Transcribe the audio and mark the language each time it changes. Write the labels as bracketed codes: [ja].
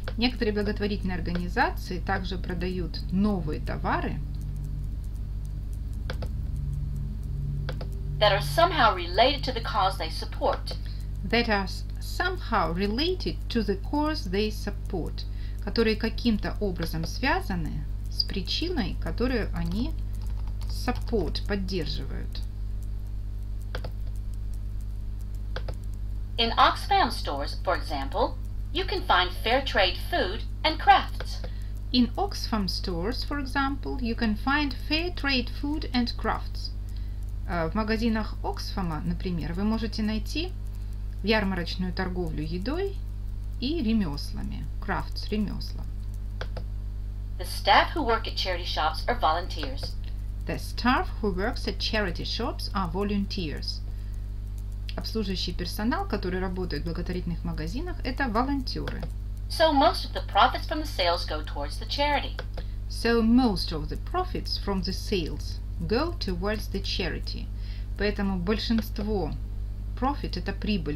[ru] Некоторые благотворительные организации также продают новые товары. [en] That are somehow related to the cause they support. That are somehow related to the cause they support. [ru] Которые каким-то образом связаны с причиной, которую они support, поддерживают. [en] In Oxfam stores, for example, you can find fair trade food and crafts. In Oxfam stores, for example, you can find fair trade food and crafts. [ru] В магазинах Оксфама, например, вы можете найти ярмарочную торговлю едой и ремеслами. Crafts – ремесла. [en] The staff who work at charity shops are volunteers. The staff who works at charity shops are volunteers. [ru] Обслуживающий персонал, который работает в благотворительных магазинах, это волонтеры. [en] So most of the profits from the sales go towards the charity. So most of the profits from the sales go towards the charity. [ru] Поэтому большинство profit – это прибыль.